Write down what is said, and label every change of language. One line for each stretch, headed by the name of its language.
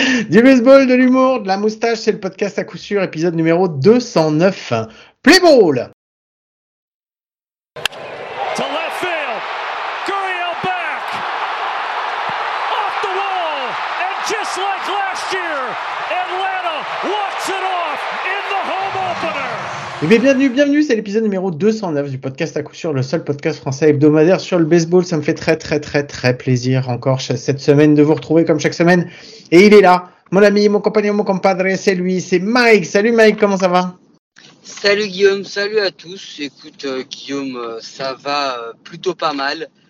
French: Du baseball, de l'humour, de la moustache, c'est le podcast à coup sûr, épisode numéro 209.
English: Play ball! To left field, Gurriel back, off the wall, and just like last year, Atlanta walks it off in the home opener!
French: Eh bien, bienvenue, c'est l'épisode numéro 209 du podcast à coup sûr, le seul podcast français hebdomadaire sur le baseball. Ça me fait très très très très plaisir encore cette semaine de vous retrouver comme chaque semaine. Et il est là, mon ami, mon compagnon, mon compadre, c'est lui, c'est Mike. Salut Mike, comment ça va? Salut Guillaume, salut à tous. Écoute Guillaume, ça va plutôt pas mal.